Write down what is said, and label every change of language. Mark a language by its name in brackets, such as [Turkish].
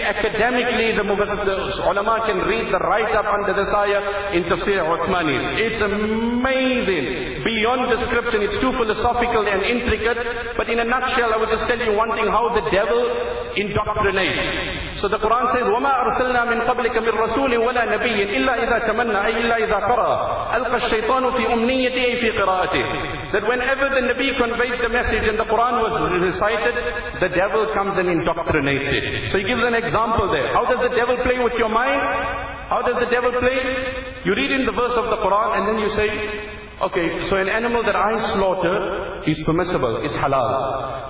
[English] Academically, the ulama can read the write-up under this ayah in Tafsir Uthmani. It's amazing. Beyond description, it's too philosophical and intricate. But in a nutshell, I would just tell you one thing, how the devil indoctrinates. So the Quran says, [Arabic] وَمَا أَرْسَلْنَا مِنْ قَبْلِكَ مِنْ رَسُولٍ وَلَا نَبِيٍّ إِلَّا إِذَا تَمَنَّا إِلَّا إِذَا قَرَأَ أَلْقَ الشَّيْطَانُ فِي أُمْنِيَّتِهِ فِي قِرَاءَتِهِ. [English] That whenever the Nabi conveyed the message and the Quran was recited, the devil comes and indoctrinates it. So he gives an example there. How does the devil play with your mind? How does the devil play? You read in the verse of the Quran and then you say, okay, so an animal that I slaughter is permissible, is halal.